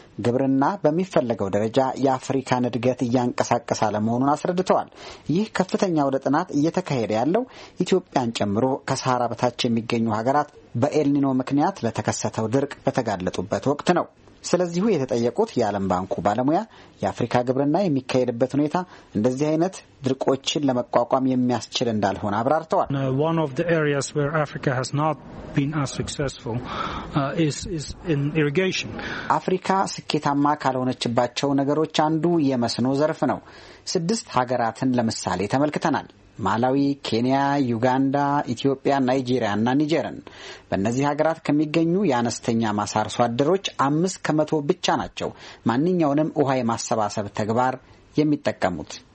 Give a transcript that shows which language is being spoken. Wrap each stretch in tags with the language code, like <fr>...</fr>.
<am>ግብርና በሚፈለገው ደረጃ የአፍሪካን እድገት እያንቀሳቀሰ አለመሆኑን አስረድተዋል። ይህ ከፍተኛ አውደ ጥናት እየተካሄደ ያለው ኢትዮጵያን ጨምሮ ከሰሃራ በታች የሚገኙ ሀገራት በኤልኒኖ ምክንያት ለተከሰተው ድርቅ በተጋለጡበት ወቅት ነው። ስለዚሁ የተጠየቁት የዓለም ባንኩ ባለሙያ የአፍሪካ ግብርና የሚካሄድበት ሁኔታ እንደዚህ አይነት ድርቆችን ለመቋቋም የሚያስችል እንዳልሆነ አብራርተዋል።</am> <en>One of the areas where Africa has not been as successful is in irrigation.</en> <am>አፍሪካ ስኬታማ ካልሆነችባቸው ነገሮች አንዱ የመስኖ ዘርፍ ነው። ስድስት ሀገራትን ለምሳሌ ተመልክተናል። ማላዊ፣ ኬንያ፣ ዩጋንዳ፣ ኢትዮጵያ፣ ናይጄሪያ እና ኒጀርን። በእነዚህ ሀገራት ከሚገኙ የአነስተኛ ማሳ አርሶ አደሮች 5% ብቻ ናቸው ማንኛውንም ውሃ የማሰባሰብ ተግባር የሚጠቀሙት</am>